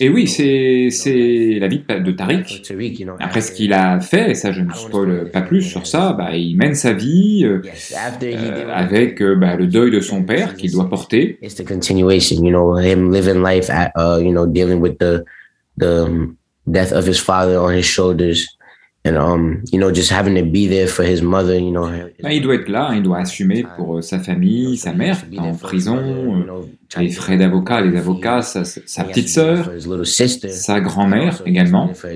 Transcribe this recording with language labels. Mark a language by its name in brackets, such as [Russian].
[French] Et oui, c'est la vie de Tarek. Après ce qu'il a fait, et ça, je ne spoil pas plus sur ça, bah, il mène sa vie avec bah, le deuil de son père qu'il doit porter. [English] It's the continuation, you know, him living life, at, you know, dealing with the death of his father on his shoulders, and you know, just having to be there for his mother, you know. [French] Bah, il doit être là, hein, il doit assumer pour sa famille, sa mère en prison. Les frais d'avocat, les avocats, sa petite sœur, sa grand-mère également.